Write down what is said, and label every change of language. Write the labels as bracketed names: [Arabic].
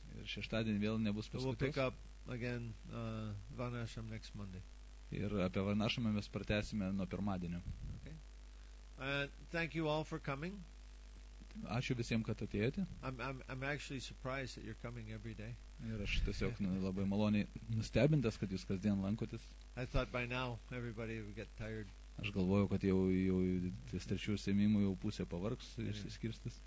[Lithuanian] Ir šeštadienį vėl nebus paskaitos. [English] We'll pick up again Varnasham next Monday. [Lithuanian] Ir apie Varnasham mes pratęsime nuo pirmadienio. [English] Okay. Thank you all for coming. [Lithuanian] Ačiū visiems, kad atėjote. [English] I'm actually surprised that you're coming every day. [Lithuanian] Ir aš tiesiog labai maloniai nustebintas, kad jūs kasdien lankotės. [English] I thought by now everybody would get tired. [Lithuanian] Aš galvojau, kad jau ties trečių sėmimų jau pusė pavargs ir išsiskirstis.